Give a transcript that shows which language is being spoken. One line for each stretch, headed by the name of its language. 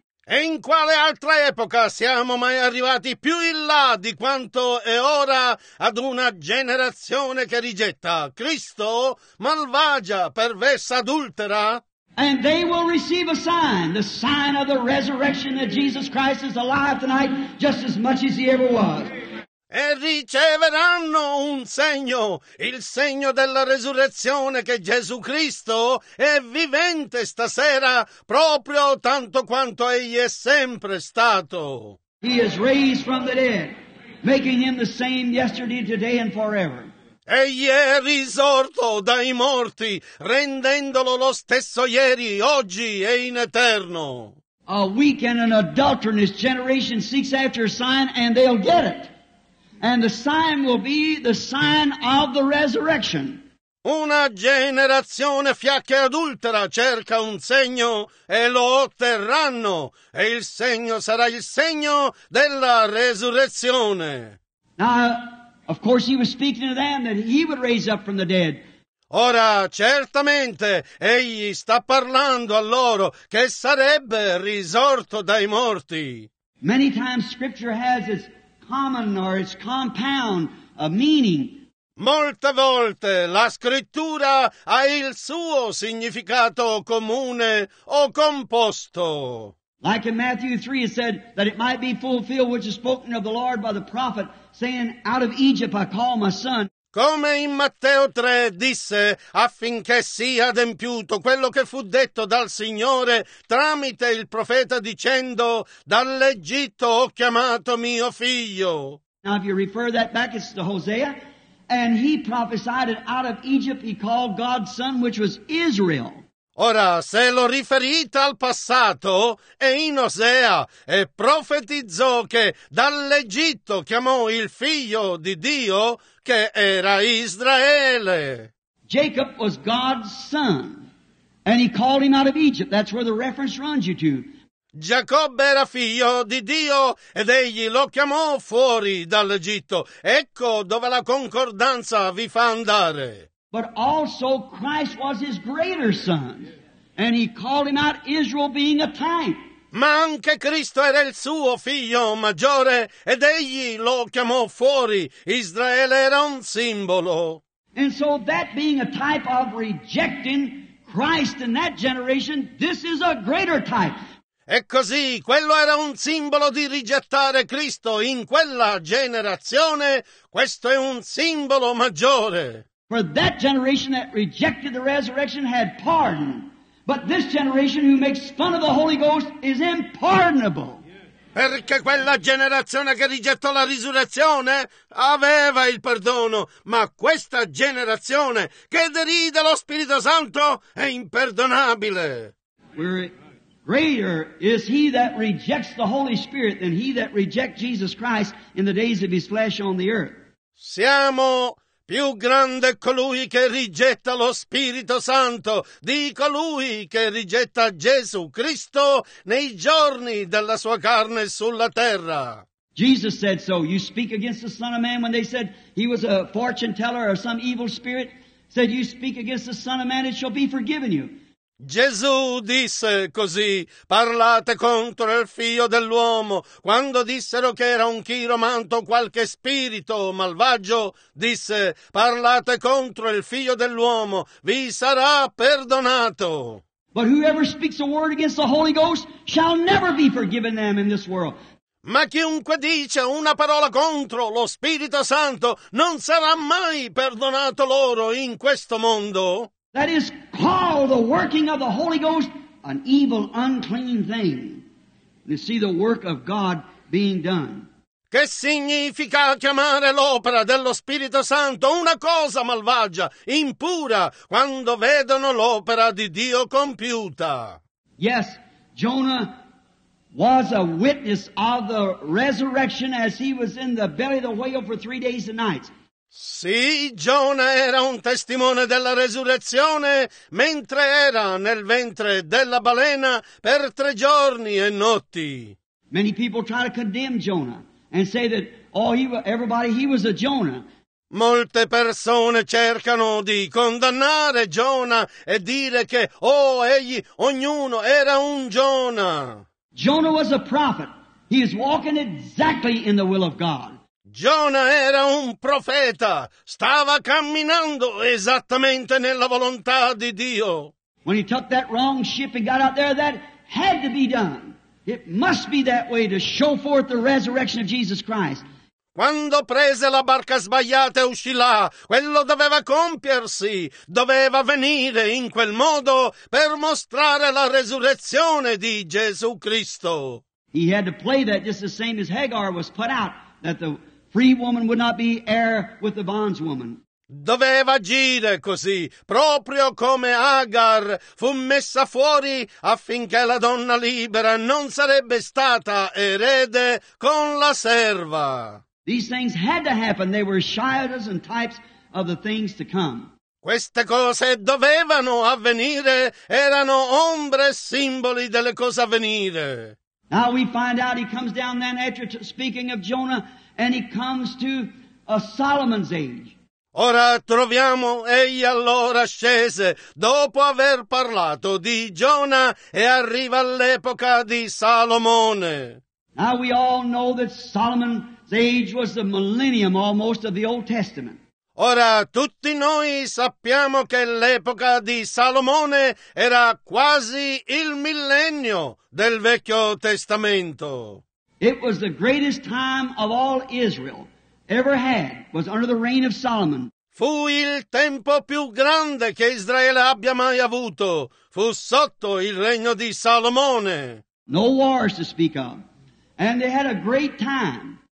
Italian: E in quale altra epoca siamo mai arrivati più in là di quanto è ora ad una generazione che rigetta Cristo, malvagia, perversa, adultera?
English: And they will receive a sign, the sign of the resurrection that Jesus Christ is alive tonight, just as much as he ever was.
Italian: E riceveranno un segno, il segno della resurrezione che Gesù Cristo è vivente stasera, proprio tanto quanto egli è sempre stato.
English: He is raised from the dead, making him the same yesterday, today, and forever.
Italian: Egli è risorto dai morti, rendendolo lo stesso ieri, oggi e in eterno.
English: A weak and an adulterous generation seeks after a sign, and they'll get it. And the sign will be the sign of the resurrection.
Italian: Una generazione fiacca e adultera cerca un segno e lo otterranno, e il segno sarà il segno della resurrezione.
English: Now, of course he was speaking to them that he would raise up from the dead.
Italian: Ora, certamente, egli sta parlando a loro che sarebbe risorto dai morti.
English: Many times scripture has its common or its compound of meaning.
Italian: Molte volte la scrittura ha il suo significato comune o composto.
English: Like in Matthew 3 it said that it might be fulfilled which is spoken of the Lord by the prophet, saying, out of Egypt I call my son.
Italian: Come in Matteo 3 disse, affinché sia adempiuto quello che fu detto dal Signore tramite il profeta dicendo, dall'Egitto ho chiamato mio figlio.
English: Now if you refer that back, it's to Hosea, and he prophesied it out of Egypt he called God's son, which was Israel.
Italian: Ora, se lo riferite al passato, è in Osea, e profetizzò che dall'Egitto chiamò il figlio di Dio, che era Israele.
English: Jacob was God's son, and he called him out of Egypt. That's where the reference runs you to.
Italian: Giacobbe era figlio di Dio, ed egli lo chiamò fuori dall'Egitto. Ecco dove la concordanza vi fa andare.
English: But also Christ was his greater son, and he called him out, Israel being a type.
Italian: Ma anche Cristo era il suo figlio maggiore, ed egli lo chiamò fuori. Israele era un simbolo.
English: And so that being a type of rejecting Christ in that generation, this is a greater type.
Italian: E così, quello era un simbolo di rigettare Cristo in quella generazione, questo è un simbolo maggiore.
English: For that generation that rejected the resurrection had pardon. But this generation who makes fun of the Holy Ghost is impardonable. Yes.
Italian: Perché quella generazione che rigettò la risurrezione aveva il perdono, ma questa generazione che deride lo Spirito Santo è imperdonabile.
English: Greater is he that rejects the Holy Spirit than he that rejects Jesus Christ in the days of his flesh on the earth.
Italian: Siamo più grande colui che rigetta lo Spirito Santo di colui che rigetta Gesù Cristo nei giorni della sua carne sulla terra.
English: Jesus said so. You speak against the Son of Man when they said he was a fortune teller or some evil spirit. Said you speak against the Son of Man, it shall be forgiven you.
Italian: Gesù disse così, parlate contro il figlio dell'uomo. Quando dissero che era un chiromanto, qualche spirito malvagio, disse, parlate contro il figlio dell'uomo, vi sarà perdonato.
English: But whoever speaks a word against the Holy Ghost shall never be forgiven them in this world.
Italian: Ma chiunque dice una parola contro lo Spirito Santo non sarà mai perdonato loro in questo mondo.
English: That is called the working of the Holy Ghost, an evil, unclean thing. You see the work of God being done.
Italian: Che significa chiamare l'opera dello Spirito Santo una cosa malvagia, impura, quando vedono l'opera di Dio compiuta?
English: Yes, Jonah was a witness of the resurrection as he was in the belly of the whale for 3 days and nights.
Italian: Sì, Giona era un testimone della resurrezione mentre era nel ventre della balena per 3 giorni e notti.
English: Many people try to condemn Jonah and say that he was a Jonah.
Italian: Molte persone cercano di condannare Giona e dire che ognuno era un Giona.
English: Jonah was a prophet. He is walking exactly in the will of God.
Italian: Giona era un profeta, stava camminando esattamente nella volontà di Dio.
English: When he took that wrong ship and got out there, that had to be done. It must be that way to show forth the resurrection of Jesus Christ.
Italian: Quando prese la barca sbagliata e uscì là, quello doveva compiersi, doveva venire in quel modo per mostrare la resurrezione di Gesù Cristo.
English: He had to play that just the same as Hagar was put out, that the free woman would not be heir with the bondswoman.
Italian: Doveva agire così, proprio come Agar fu messa fuori affinché la donna libera non sarebbe stata erede con la serva.
English: These things had to happen. They were shadows and types of the things to come.
Italian: Queste cose dovevano avvenire, erano ombre e simboli delle cose a venire.
English: Now we find out he comes down then after speaking of Jonah, and he comes to a Solomon's age.
Italian: Ora troviamo egli allora scese dopo aver parlato di Giona e arriva all'epoca di Salomone.
English: Now we all know that Solomon's age was the millennium almost of the Old Testament.
Italian: Ora tutti noi sappiamo che l'epoca di Salomone era quasi il millennio del Vecchio Testamento.
English: It was the greatest time of all Israel ever had, was under the reign of Solomon.
Italian: Fu il tempo più grande che Israele abbia mai avuto. Fu sotto il regno di Salomone.
English: No wars to speak of. And they had a great time.